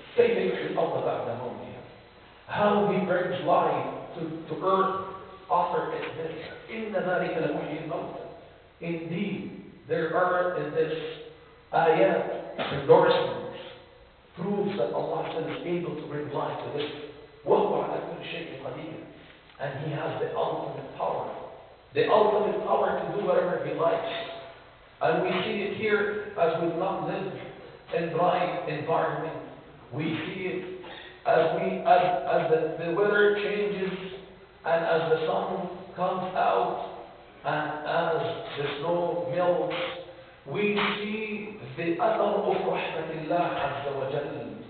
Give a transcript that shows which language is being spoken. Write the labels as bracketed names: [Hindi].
[Arabic] كيف يحيي الأرض بعد موتها. [English] How He brings life to earth after its death. [Arabic] إِنَّ ذَلِكَ لَمُحْيِي الْمَوْتَى. [English] Indeed, there are in this ayat endorsements, proofs that Allah is able to bring life to this. [Arabic] وَهُوَ عَلَى كُلِّ شَيْءٍ قَدِيرٍ [English] And He has the ultimate power. The ultimate power to do whatever He likes. And we see it here as we not live in dry environment. We see it as the weather changes and as the sun comes out and as the snow melts. We see the أثر of [Arabic] رحمة الله عز وجل.